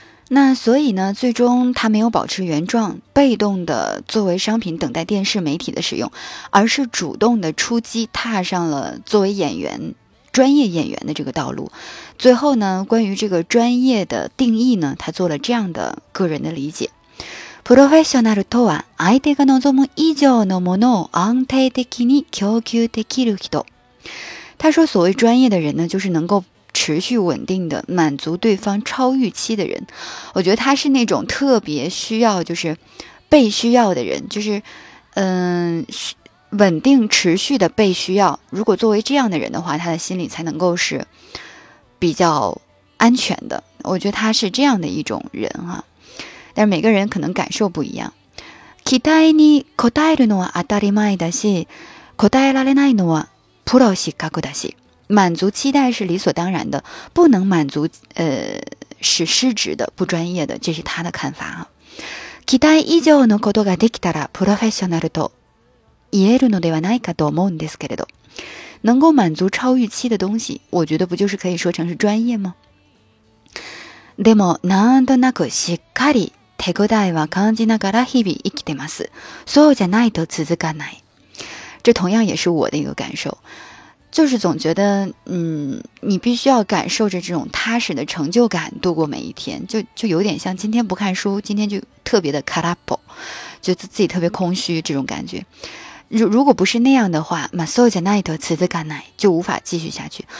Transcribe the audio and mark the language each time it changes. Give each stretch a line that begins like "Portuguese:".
Chinese: 那所以呢，最终它没有保持原状，被动的作为商品等待电视媒体的使用，而是主动的出击，踏上了作为演员专业演员的这个道路。最后呢，关于这个专业的定义呢，他做了这样的个人的理解。
Japanese: プロフェッショナルとは、相手が望む以上のものを安定的に供給できる人。
Chinese: 他说所谓专业的人呢，就是能够持续稳定的满足对方超预期的人。我觉得他是那种特别需要，就是被需要的人，就是稳定持续的被需要。如果作为这样的人的话，他的心里才能够是比较安全的。我觉得他是这样的一种人哈。但是每个人可能感受不一样。
Japanese: 期待に応えるのは当たり前だし、応えられないのはプロ失格だし。
Chinese: 满足期待是理所当然的，不能满足是失职的、不专业的，这是他的看法啊。
Japanese: 期待以上のことができたらプロフェッショナルと言えるのではないかと思うんですけれど。
Chinese: 能够满足超预期的东西，我觉得不就是可以说成是专业吗？
Japanese: でもなんとなくしっかり手応えは感じながら日々生きてます。そうじゃないと続かない。
Chinese: 这同样也是我的一个感受，就是总觉得，你必须要感受着这种踏实的成就感度过每一天，就有点像今天不看书，今天就特别的卡拉波，就自己特别空虚这种感觉。如果不是那样的话，
Japanese: まあそうじゃないと続かない，
Chinese: 就无法继续下去。